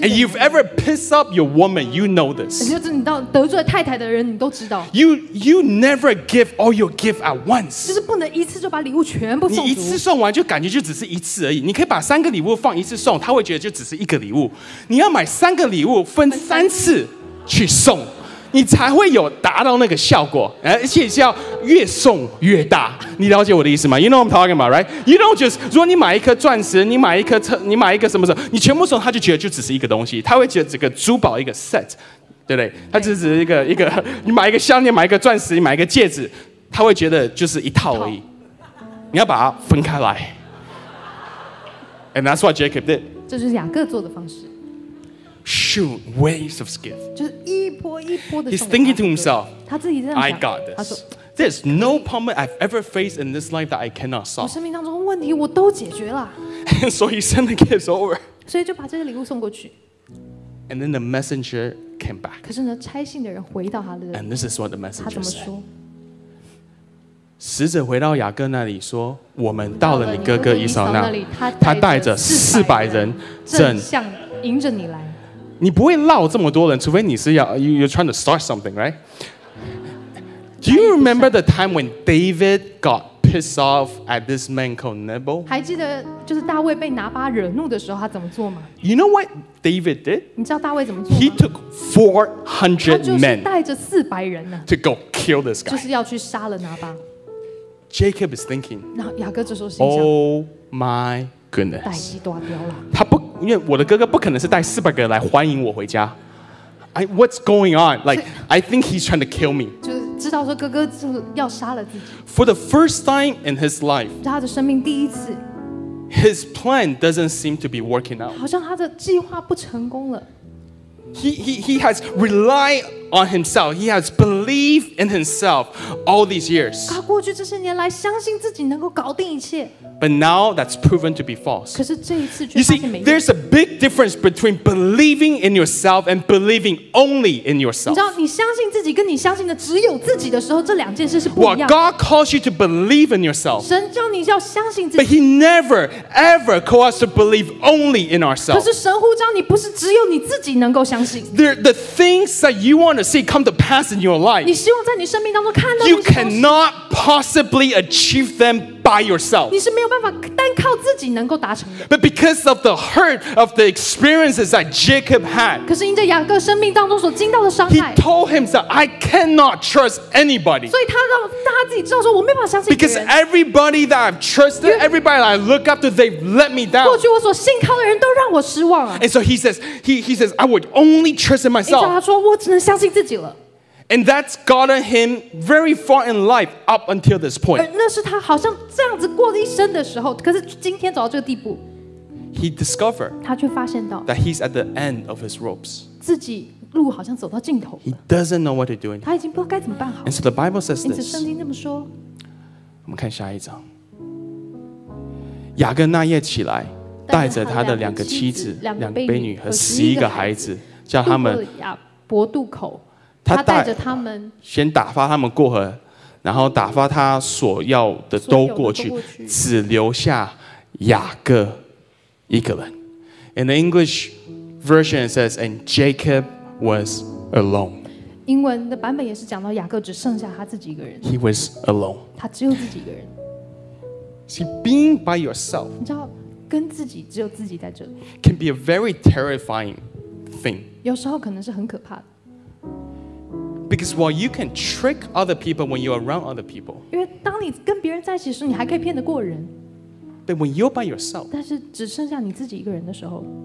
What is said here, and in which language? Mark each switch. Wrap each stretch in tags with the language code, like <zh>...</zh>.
<en>And you've ever pissed up your woman, you know this.</en> <zh>就是你到得罪太太的人，你都知道。</zh> <en>You never give all your gift at once.</en> <zh>就是不能一次就把礼物全部送足。你一次送完就感觉就只是一次而已。你可以把三个礼物放一次送，他会觉得就只是一个礼物。你要买三个礼物分三次去送，你才会有达到那个效果，而且是要越送越大，你了解我的意思吗 ？</zh> <en>You know what I'm talking about, right? You don't just</en> <zh>如果你买一颗钻石，你买一颗车，你买一个什么什么，你全部送，他就觉得就只是一个东西，他会觉得这个珠宝一个 set， 对不对？他只是一个，你买一个项链，买一个钻石，你买一个戒指，他会觉得就是一套而已。你要把它分开来。</zh> <en>And that's what Jacob did.</en> <zh>这就是雅各做的方式。</zh> <en>Shoot waves of gift.</en> <zh>就是一波一波的。</zh> <en>He's thinking to himself.</en> <zh>他自己这样想。</zh> <en>I got this. There's no problem I've ever faced in this life that I cannot solve.</en> <zh>我生命当中问题我都解决了。</zh> <en>So he sent the gifts over.</en> <zh>所以就把这些礼物送过去。</zh> <en>And then the messenger came back.</en> <zh>可是呢，拆信的人回到他的。</zh> <en>And this is what the messenger said.</en> <zh>他怎么说？使者回到雅各那里说：“我们到了你哥哥以扫那里，他带着400人正向迎着你来。” 你不会绕这么多人，除非你是要</zh> <en>you're trying to start something, right? Do you remember the time when David got pissed off at this man called Nabal?</en> <zh>还记得就是大卫被拿巴惹怒的时候他怎么做吗？</zh> <en>You know what David did?</en> <zh>你知道大卫怎么做吗？</zh> <en>He took 400 men.</en> <zh>他就是带着400人呢。</zh> <en>To go kill this guy.</en> <zh>就是要去杀了拿巴。</zh> <en>Jacob is thinking.</en> <zh>那雅各这时候心想</zh> <en>，Oh my goodness.</en> <zh>大计大标了。他不。因为我的哥哥不可能是带四百个来欢迎我回家</zh> <en>What's going on? Like, I think he's trying to kill me.</en> <zh>就知道说哥哥要杀了自己。</zh> <en>For the first time in his life,</en> <zh>他的生命第一次</zh> <en>his plan doesn't seem to be working out.</en> <zh>好像他的计划不成功了。</zh> <en>He has relied on himself. He has believed in himself all these years.</en> <zh>他过去这些年来相信自己能够搞定一切。</zh> <en>But now that's proven to be false.</en> <zh>可是这一次却</zh> <en>You see, there's a big difference between believing in yourself and believing only in yourself.</en> <zh>你知道，你相信自己跟你相信的只有自己的时候，这两件事是不一样的。</zh> <en>Well, God calls you to believe in yourself.</en> <zh>神叫你要相信自己。</zh> <en>But He never ever calls us to believe only in ourselves.</en> <zh>可是神呼召你不是只有你自己能够相信。</zh> <en>The things that you want to see come to pass in your life.</en> <zh>你希望在你生命当中看到。</zh> <en>You cannot possibly achieve them. By yourself.</en> <zh>你是没有办法单靠自己能够达成的。</zh> <en>But because of the hurt of the experiences that Jacob had,</en> <zh>可是因着雅各生命当中所经到的伤害</zh> <en>he told himself, I cannot trust anybody.</en> <zh>所以他自己知道说，我没办法相信。</zh> <en>Because everybody that I've trusted, everybody that I look up to, they've let me down.</en> <zh>过去我所信靠的人都让我失望啊。</zh> <en>And so he says, I would only trust in myself.</en> <zh>因着他说，我只能相信自己了。</zh> <en>And that's gotten him very far in life up until this point.</en> <zh>那是他好像这样子过了一生的时候，可是今天走到这个地步。</zh> <en>He discovered.</en> <zh>他却发现到。</zh> <en>That he's at the end of his ropes.</en> <zh>自己路好像走到尽头了。</zh> <en>He doesn't know what to do.</en> <zh>他已经不知道该怎么办好。</zh> <en>And so the Bible says this.</en> <zh>因此圣经这么说。我们看下一章。雅各那夜起来，带着他的两个妻子、两个婢女和11个孩子，叫他们渡过亚伯渡口。他带着他们先打发他们过河，然后打发他所要的都过去，只留下雅各一个人。</zh> <en>In the English version it says and Jacob was alone.</en> <zh>英文的版本也是讲到雅各只剩下他自己一个人。</zh> <en>He was alone.</en> <zh>他只有自己一个人。</zh> <en>See, being by yourself,</en> <zh>你知道跟自己只有自己在这里，</zh> <en>can be a very terrifying thing.</en> <zh>有时候可能是很可怕的。</zh> <en>Because while you can trick other people when you are around other people,</en> <zh>因为当你跟别人在一起的时候，你还可以骗得过人。</zh> <en>But when you're by yourself,</en> <zh>但是只剩下你自己一个人的时候，</zh>